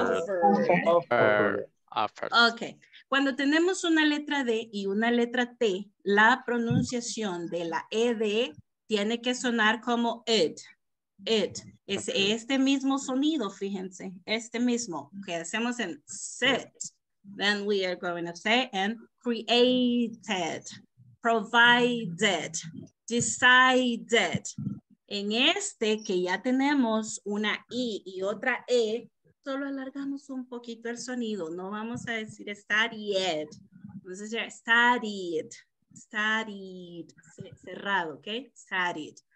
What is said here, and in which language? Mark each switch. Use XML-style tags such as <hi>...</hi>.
<en>Have, had, drive, driven, been, directed, managed, incorporated, offered. Okay.</en> <es>Cuando tenemos una letra D y una letra T, la pronunciación de la ED tiene que sonar como it. It. Es este mismo sonido, fíjense. Este mismo. Que hacemos en sit.</es> <en>Then we are going to say and created, provided, decided.</en> <es>En este que ya tenemos una I y otra E, solo alargamos un poquito el sonido. No vamos a decir studied. Vamos a decir studied. Studied. Cerrado, ¿ok? Studied.</es>